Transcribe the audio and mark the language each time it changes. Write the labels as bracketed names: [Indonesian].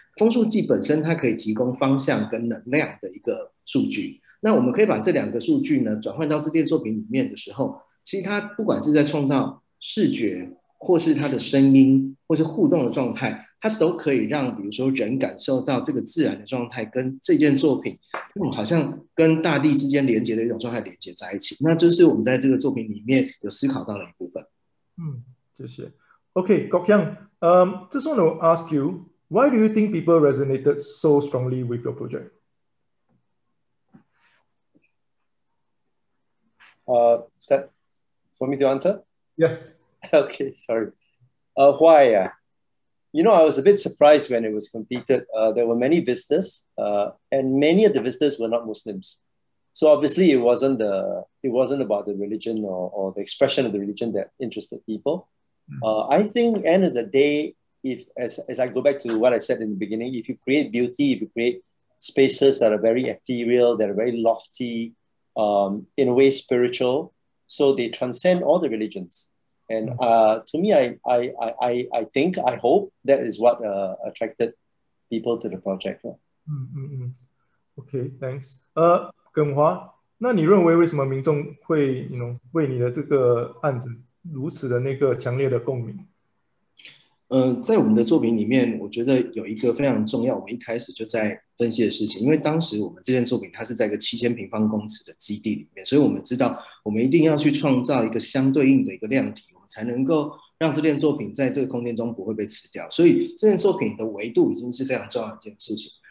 [Chinese] 风速计本身它可以提供方向跟能量的一个数据，那我们可以把这两个数据呢转换到这件作品里面的时候，其实它不管是在创造视觉或是它的声音或是互动的状态，它都可以让比如说人感受到这个自然的状态跟这件作品、好像跟大地之间连接的一种状态连接在一起，那就是我们在这个作品里面有思考到的一部分。谢谢。 [English] OK, Kok Hiang, just want to ask you, why do you think people resonated so strongly with your project? Is that for me to answer? Yes. Okay, sorry. Why? You know, I was a bit surprised when it was completed. There were many visitors, and many of the visitors were not Muslims. So obviously, it wasn't about the religion or the expression of the religion that interested people. I think end of the day, as I go back to what I said in the beginning, if you create beauty, if you create spaces that are very ethereal, that are very lofty, in a way spiritual, so they transcend all the religions. And to me, I think, I hope that is what attracted people to the project. Okay, thanks. [Chinese] 耿华，那你认为为什么民众会 [English] you know, [Chinese] 为你的这个案子如此的那个强烈的共鸣？在我们的作品里面，我觉得有一个非常重要，我一开始就在分析的事情，因为当时我们这件作品它是在一个7000平方公尺的基地里面，所以我们知道我们一定要去创造一个相对应的一个量体，我们才能够让这件作品在这个空间中不会被吃掉，所以这件作品的维度已经是非常重要的一件事情。